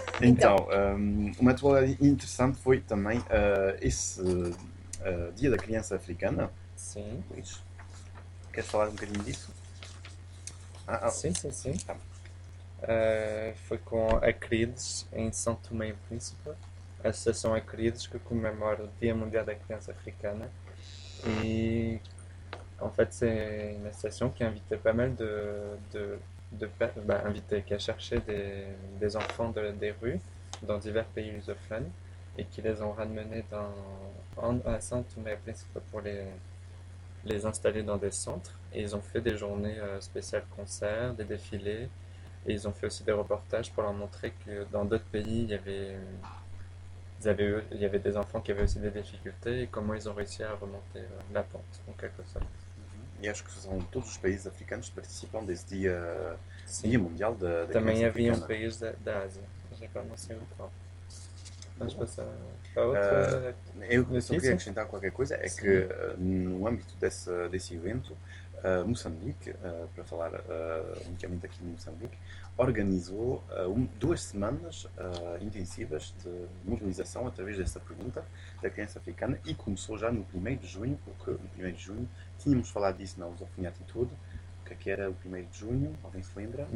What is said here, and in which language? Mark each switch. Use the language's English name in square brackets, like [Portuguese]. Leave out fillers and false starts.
[Portuguese] Então, uma atualidade interessante foi também esse Dia da Criança Africana. Sim. Luís, queres falar um bocadinho disso? Sim. Tá. Foi com a Crides em São Tomé e Príncipe. A Associação Acredites, que comemora o Dia Mundial da Criança Africana. [French] E, em fait, c'est une association qui a invité pas mal qui a cherché des enfants des rues dans divers pays lusophones et qui les ont ramenés à Saint-Thomas-et-Principe pour les installer dans des centres. Et ils ont fait des journées spéciales concerts, des défilés, et ils ont fait aussi des reportages pour leur montrer que dans d'autres pays, il y avait... il y avait des enfants qui avaient aussi des difficultés et comment ils ont réussi à remonter la pente, en quelque sorte. Mm-hmm. Et je crois que ce sont tous les pays africains qui participent à ce Dia Mondial de la [Portuguese] Criança Africana. [French] Il y avait un pays d'Asie, je n'ai pas mentionné encore. Mm-hmm. Je pense à autre. Je voulais ajouter quelque chose, c'est que, [Portuguese] no âmbito desse evento, Moçambique, para falar um pouquinho aqui de Moçambique, organizou duas semanas intensivas de mobilização através dessa pergunta da criança africana e começou já no 1º de junho, porque no 1º de junho tínhamos falado disso na Lusofonia Atitude, o que era o 1º de junho, alguém se lembra?